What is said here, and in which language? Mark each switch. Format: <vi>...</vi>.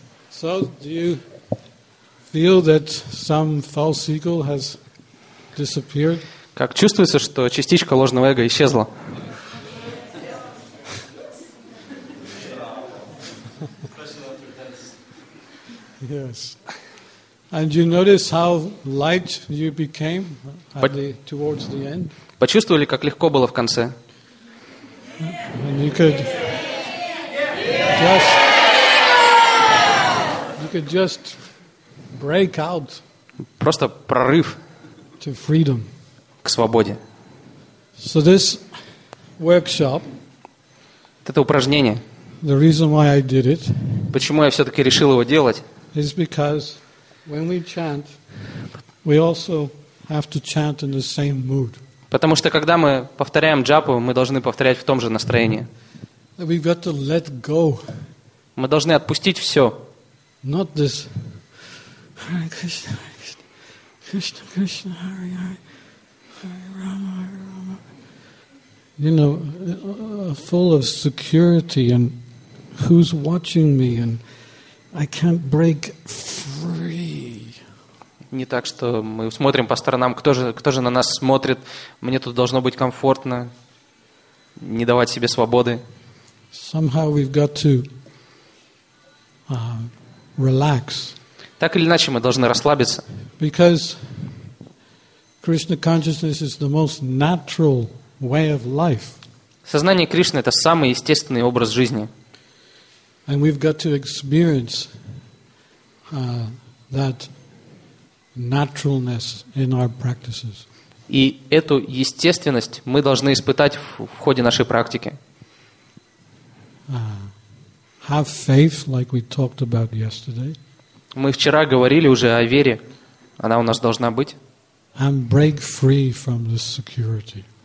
<en>So, do you feel that some false ego has disappeared?</en> <ru>Как чувствуется, что частичка ложного эго исчезла?</ru> <en>Yes. And you notice how light you became at the, towards the end?</en> <ru>Почувствовали, как легко было в конце?</ru> <en>And you could just break out.</en> <ru>Просто прорыв</ru> <en>to freedom.</en> <ru>К свободе.</ru> <en>So this workshop.</en> <ru>Это упражнение.</ru> <en>The reason why I did it.</en> <ru>Почему я все-таки решил его делать?</ru> <en>Is because when we chant, we also have to chant in the same mood.</en> <ru>Потому что когда мы повторяем джапу, мы должны повторять в том же настроении.</ru> <en>We've got to let go.</en> <ru>Мы должны отпустить все.</ru> <en>Not this. Hare Krishna, Hare Krishna, Krishna Krishna, Hare Hare, Hare Rama, Hare Rama. You know, full of security and who's watching me and I can't break free.</en> <ru>Не так, что мы смотрим по сторонам, кто же на нас смотрит. Мне тут должно быть комфортно, не давать себе свободы.</ru> <en>Somehow we've got to relax.</en> <ru>Так или иначе, мы должны расслабиться.</ru> <en>Because Krishna consciousness is the most natural way of life.</en> <ru>Сознание Кришны — это самый естественный образ жизни.</ru> <en>And we've got to experience that naturalness in our practices.</en> <ru>И эту естественность мы должны испытать в ходе нашей практики.</ru> <en>Have faith, like we talked about yesterday.</en> <ru>Мы вчера говорили уже о вере. Она у нас должна быть.</ru> <en>And break free from this security.</en>